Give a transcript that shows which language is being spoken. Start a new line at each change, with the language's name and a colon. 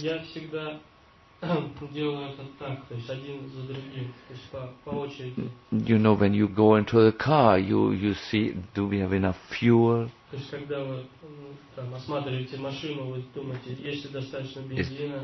Russian: Я всегда делаю это так, то есть один за другим, то есть по очереди.
English: You know, when you go into the car, you see, do we have enough fuel?
Russian: То есть когда вы там осматриваете машину, вы думаете, есть ли достаточно бензина?